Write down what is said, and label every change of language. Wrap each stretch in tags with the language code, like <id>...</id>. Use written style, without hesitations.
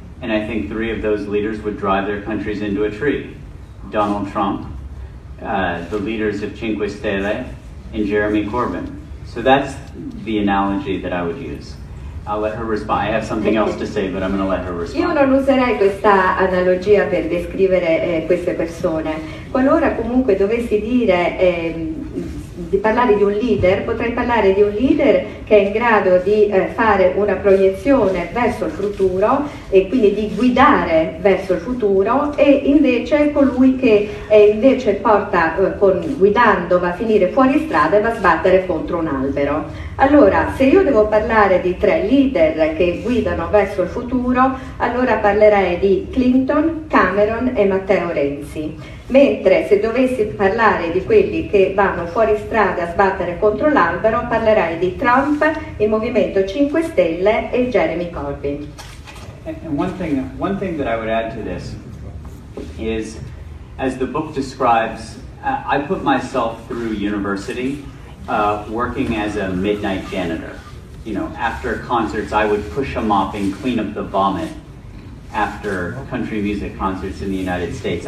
<en>And I think three of those leaders would drive their countries into a tree. Donald Trump, the leaders of Cinque Stelle, and Jeremy Corbyn. So that's the analogy that I would use. I'll let her respond. I have something else to say, but I'm going to let her respond.</en> <it>Io non userei questa analogia per descrivere queste persone. Qualora comunque dovessi dire di parlare di un leader, potrei parlare di un leader che è in grado di fare una proiezione verso il futuro e quindi di guidare verso il futuro, e invece colui che invece porta guidando va a finire fuori strada e va a sbattere contro un albero. Allora, se io devo parlare di tre leader che guidano verso il futuro, allora parlerei di Clinton, Cameron e Matteo Renzi. Mentre se dovessi parlare di quelli che vanno fuori strada a sbattere contro l'albero, parlerei di Trump, il Movimento 5 Stelle e Jeremy Corbyn.</it> <en>And one thing that I would add to this is, as the book describes, I put myself through university working as a midnight janitor. You know, after concerts I would push a mop and clean up the vomit after country music concerts in the United States.</en>